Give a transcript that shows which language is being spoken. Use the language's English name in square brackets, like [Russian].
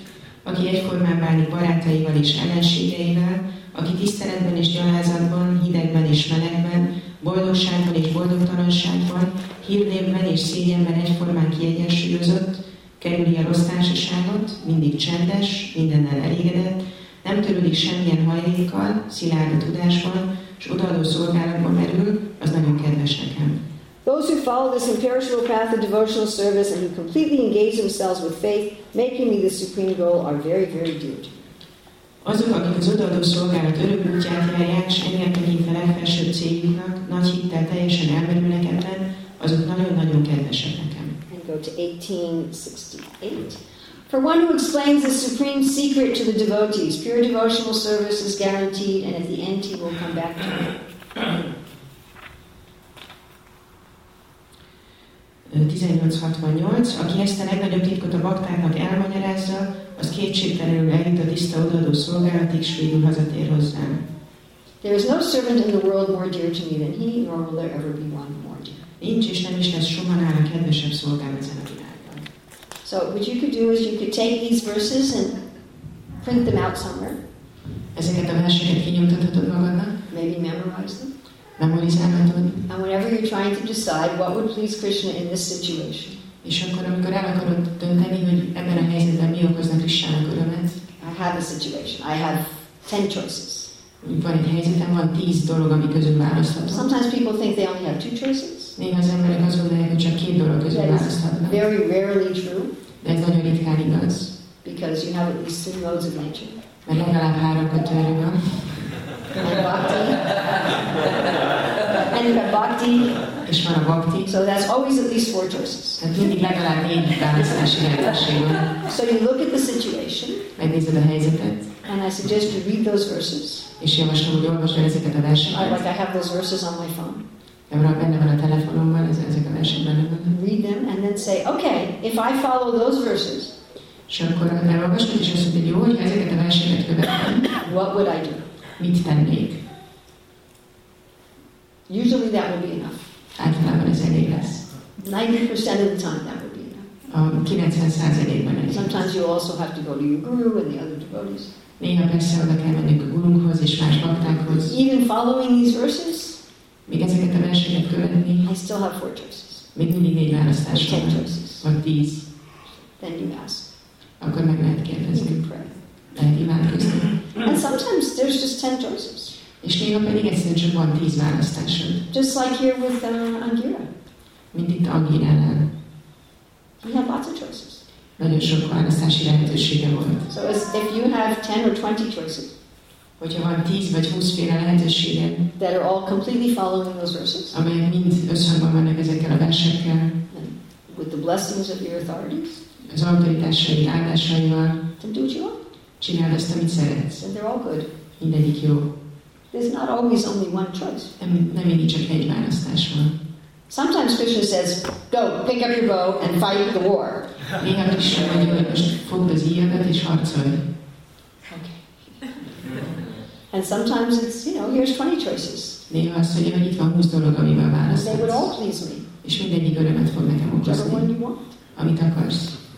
[English] him. [Hungarian] Aki egykormán bánik barátaival és ellenségeivel, aki tiszteletben és gyalázatban, hidegben és melegben, boldogságban és boldogtalanságban, hírnévben és szégyenben egyformán kiegyensúlyozott, kerüli a rossz társaságot, mindig csendes, mindennel elégedett, nem törődik semmilyen hajlékkal, szilárd a tudásban, s odaadó szolgálatban merül, az nagyon kedves nekem. [English] Those who follow this imperishable path of devotional service and who completely engage themselves with faith, making me the supreme goal, are very, very dear. [Hungarian] Azok, akik az odaadó szolgálat örök útját járják, s ennyi a tekintve legfelsőbb céljuknak, nagy hittel teljesen elmerülnek ebben, azok nagyon-nagyon kedvesek nekem. [English] And go to 1868. For one who explains the supreme secret to the devotees, pure devotional service is guaranteed, and at the end he will come back to him. 1868. [Hungarian] Aki ezt a legnagyobb titkot a baktáknak elmagyarázza, az kétségtelenül eljut a tiszta odaadó szolgálatig, s végül hazatér hozzám. [English] There is no servant in the world more dear to me than he, nor will there ever be one more dear. [Hungarian] Nincs és nem is lesz soha nála kedvesebb szolgám ezen a világban. [English] So what you could do is you could take these verses and print them out somewhere. [Hungarian] Ezeket a verseket kinyomtathatod magadnak. [English] Maybe memorize them. [Hungarian] Memorizálhatod. [English] And whenever you're trying to decide what would please Krishna in this situation. [Hungarian] És akkor, amikor el akarod dönteni, hogy ebben a helyzetben mi okozna Krisztának örömet. [English] I have a situation. I have 10 choices. [Hungarian] Van egy helyzetem, van 10 dolog, ami közül választhatom. [English] Sometimes people think they only have 2 choices. [Hungarian] Néha az emberek azt gondolják, hogy csak 2 dolog közül választhatnak. [English] Very rarely true. [Hungarian] De ez nagyon ritkán igaz. [English] Because you have at least 3 modes of nature. [Hungarian] Mert legalább 3 kötőre van. [English] And bhakti. And you have bhakti. [Hungarian] És van a bhakti. [English] So that's always at least 4 choices. [Hungarian] Tehát mindig legalább 4 választási lehetőség van. [English] So you look at the situation. [Hungarian] Megnézed a helyzetet. [English] And I suggest you read those verses. [Hungarian] És javaslom, hogy olvasd ezeket a verseket. [English] Like I have those verses on my phone. [Hungarian] Ebben benne van a telefonomban, ezek a versek benne van. [English] Read them and then say, okay, if I follow those verses. [Hungarian] És akkor elolvastad, és azt mondta, hogy jó, hogy ezeket a verseket követem. [English] What would I do? [Hungarian] Mit tennék? [English] Usually that would be enough. [Hungarian] Általában ez elég lesz. [English] 90% of the time that would be enough. [Hungarian] 90%-ban elég. [English] Sometimes you also have to go to your guru and the other devotees. [Hungarian] Néha persze oda kell mennünk a gurunkhoz és más baktákhoz. [English] Even following these verses, [Hungarian] még ezeket a verseket követni, [English] I still have 4 choices. [Hungarian] Még mindig 4 választás van. [English] 10 choices. [Hungarian] Vagy 10. [English] Then you ask. [Hungarian] Akkor meg lehet kérdezni. [English] You can pray. [Hungarian] Lehet imádkozni. [English] And sometimes there's just 10 choices. [Hungarian] És néha pedig egyszerűen csak van 10 választásod. [English] Just like here with Angira. [Hungarian] Mint itt Angira ellen. [English] He had lots of choices. [Hungarian] Nagyon sok választási lehetősége volt. [English] So if you have 10 or 20 choices, [Hungarian] hogyha van 10 vagy 20 féle lehetőséged, [English] that are all completely following those verses, [Hungarian] amelyek mind összhangban vannak ezekkel a versekkel, [English] with the blessings of your authorities, [Hungarian] az autoritásai áldásaival, [English] then do what you want. [Hungarian] Csináld azt, amit szeretsz. [English] And they're all good. [Hungarian] Mindegyik jó. [English] There's not always only one choice. [Hungarian] Nem mindig csak egy választás van. [English] Sometimes Krishna says, go, pick up your bow and fight the war. [Hungarian] Néha Krishna mondja, hogy most fogd az íjadat és harcolj. [English] Okay. And sometimes it's, you know, here's 20 choices. [Hungarian] Néha azt mondja, hogy itt van 20 dolog, amivel választasz. [English] They would all please me. [Hungarian] és mindegyik örömet fog nekem okozni, amit akarsz.